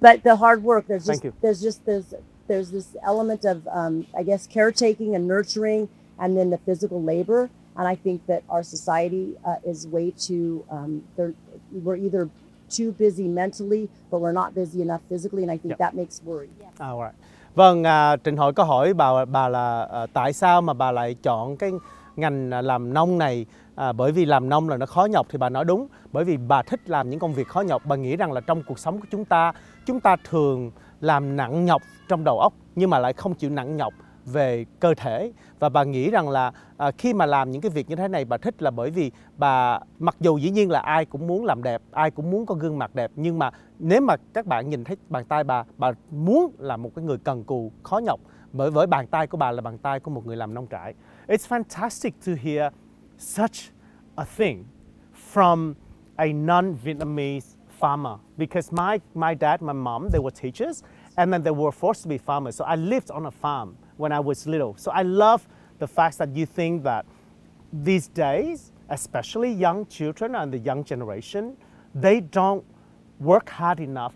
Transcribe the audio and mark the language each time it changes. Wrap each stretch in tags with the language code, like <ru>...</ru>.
<en>But the hard work, there's this element of, I guess, caretaking and nurturing, and then the physical labor. And I think that our society is way too, we're either too busy mentally, but we're not busy enough physically. And I think that makes worry. Yeah. All right.</en> <vi>Vâng, Trình hỏi câu hỏi bà là tại sao mà bà lại chọn cái ngành làm nông này? Bởi vì làm nông là nó khó nhọc, thì bà nói đúng. Bởi vì bà thích làm những công việc khó nhọc. Bà nghĩ rằng là trong cuộc sống của chúng ta thường làm nặng nhọc trong đầu óc, nhưng mà lại không chịu nặng nhọc về cơ thể. Và bà nghĩ rằng là khi mà làm những cái việc như thế này, bà thích là bởi vì bà, mặc dù dĩ nhiên là ai cũng muốn làm đẹp, ai cũng muốn có gương mặt đẹp, nhưng mà nếu mà các bạn nhìn thấy bàn tay bà muốn là một cái người cần cù, khó nhọc, bởi với bàn tay của bà là bàn tay của một người làm nông trại.</vi> <en>It's fantastic to hear such a thing from a non-Vietnamese farmer, because my dad, my mom, they were teachers, and then they were forced to be farmers. So I lived on a farm when I was little. So I love the fact that you think that these days, especially young children and the young generation, they don't work hard enough.</en>